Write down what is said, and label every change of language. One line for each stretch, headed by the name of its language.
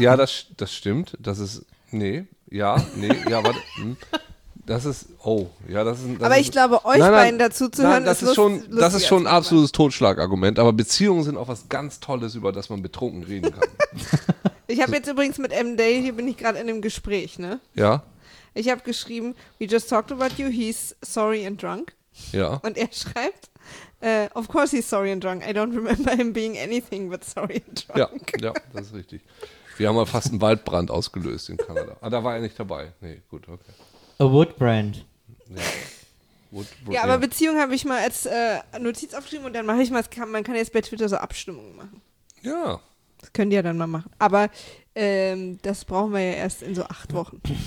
German: Ja, das stimmt. Das ist... Warte. Das ist... Oh, ja, das ist... Das aber ist, ich glaube, euch nein, beiden dazu zu hören, das ist lustig. Das ist schon ein absolutes Totschlagargument. Aber Beziehungen sind auch was ganz Tolles, über das man betrunken reden kann. Ich habe jetzt übrigens mit M. Day, hier bin ich gerade in einem Gespräch, ne? Ja. Ich habe geschrieben,
English: we just talked about you, he's sorry and drunk.
German: Ja. Und er schreibt,
English: of course he's sorry and drunk,
German: I don't remember him being anything but sorry and drunk. Ja, ja, das ist richtig. Wir haben mal fast einen Waldbrand ausgelöst in Kanada. Ah, da war er nicht dabei. Nee, gut, okay.
English: A wood brand.
German: Ja, aber Beziehung habe ich mal als Notiz aufgeschrieben und dann mache ich mal, man kann jetzt bei Twitter so Abstimmungen machen. Ja. Das könnt ihr ja dann mal machen. Aber... das brauchen wir ja erst in so 8 Wochen.